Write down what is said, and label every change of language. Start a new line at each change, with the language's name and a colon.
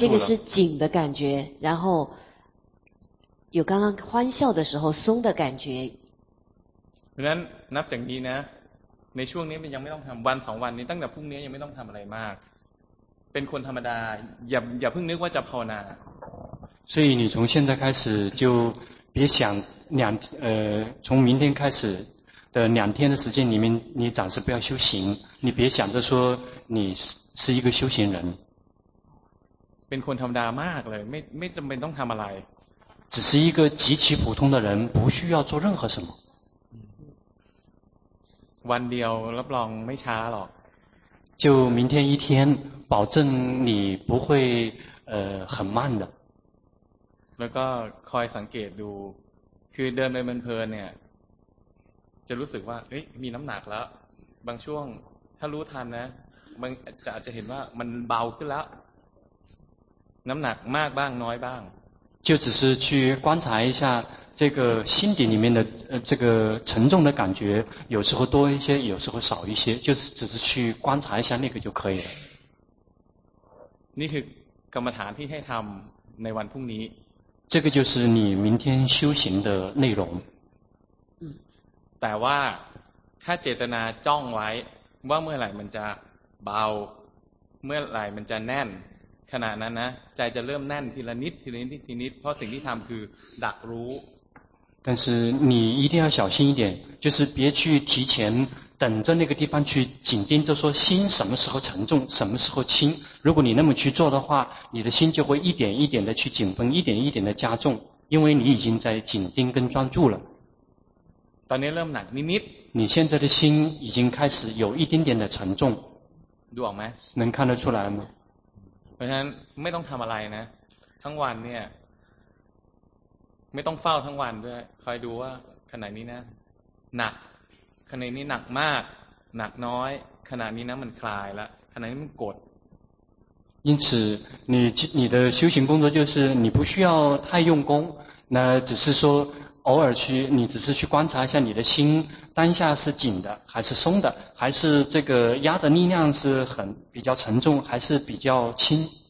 Chinese: 对，这个是紧的感觉，然后有刚刚欢笑的时候松的感觉。
Thai: เพราะนั้นนับจากนี้นะในช่วงนี้มันยังไม่ต้องทำวันสองวันนี้ตั้งแต่พรุ่งนี้ยังไม่ต้องทำอะไรมากเป็นคนธรรมดาอย่าเพิ่งนึกว่าจะภาวนา
Chinese: 所以你从现在开始就别想两从明天开始的两天的时间里面你暂时不要修行你别想着说你是一个修行人
Thai: เป็นคนธรรมดามากเลยไม่จำเป็นต้องทำอะไร
Chinese: 只是一个极其普通的人不需要做任何什么
Thai: วันเดียวรับรองไม่ช้าหรอก
Chinese: 就明天一天保证你不会很慢的
Thai: แล้วก็คอยสังเกตดูคือเดินไปเพลินเนี่ยจะรู้สึกว่าเอ๊ะมีน้ำหนักแล้วบางช่วงถ้ารู้ทันนะมันอาจจะเห็นว่ามันเบาขึ้นแล้วน้ำหนักมากบ้างน้อยบ้าง
Chinese: 就只是去观察一下这个心底里面的这个沉重的感觉，有时候多一些，有时候少一些，就是只是去观察一下那个就可以了。
Thai: นี่คือกรรมฐานที่ให้ทำในวันพรุ่งนี้
Chinese: 这个就是你明天修行的内容。
Thai: แต่ว่าถ้าเจตนาจ้องไว้ว่าเมื่อไหร่มันจะเบาเมื่อไหร่มันจะแน่นขณะนั้นนะใจจะเริ่มแน่นทีละนิดทีละนิดทีละนิดเพราะสิ่งที่ทำคือดักรู้
Chinese: 但是你一定要小心一点就是别去提前等着那个地方去紧盯着说心什么时候沉重什么时候轻如果你那么去做的话你的心就会一点一点的去紧绷一点一点的加重因为你已经在紧盯跟专注了
Thai: ตอนนี้เริ่มหนักนิดนิด
Chinese: 你现在的心已经开始有一点点的沉重
Thai: ดูออกไหม
Chinese: 能看得出来吗
Thai: เพราะฉะนั้นไม่ต้องทำอะไรนะทั้งวันเนี่ยไม่ต้องเฝ้าทั้งวันด้วยคอยดูว่าขณะนี้นะหนักขณะนี้หนักมากหนักน้อยขณะนี้นะมันคลายละขณะนี้มันกด
Chinese: 因此你的修行工作就是你不需要太用功那只是说偶尔去你只是去观察一下你的心当下是紧的还是松的还是这个压的力量是很比较沉重还是比较轻